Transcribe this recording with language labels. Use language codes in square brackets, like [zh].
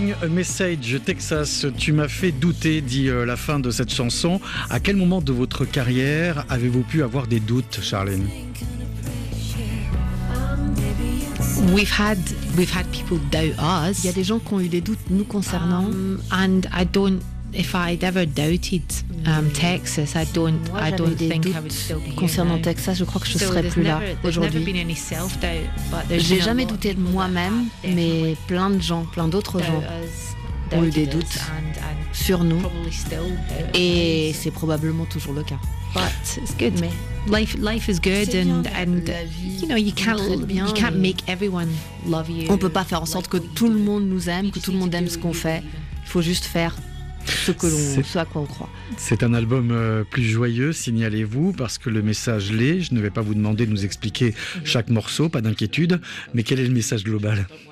[fr] Message Texas, tu m'as fait douter, dit la fin de cette chanson. À quel moment de votre carrière avez-vous pu avoir des doutes, Charlene? [en] We've had people doubt us. [fr] Il y a des gens qui ont eu des doutes nous concernant. [en] And I don't, if I'd ever doubted Texas, I don't think I would still be here. [fr] Concernant Texas, je crois que je serais plus là aujourd'hui. J'ai jamais douté de moi-même, mais plein d'autres gens. Ont eu des doutes sur nous et c'est probablement toujours le cas. [en] But it's good. Mais life is good and you know you can't make everyone love you. [fr] On peut pas faire en sorte que tout le monde nous aime, que tout le monde aime ce qu'on fait. Il faut juste faire ce à quoi on croit. C'est un album plus joyeux, signalez-vous, parce que le message l'est. Je ne vais pas vous demander de nous expliquer chaque morceau, pas d'inquiétude. Mais quel est le message global?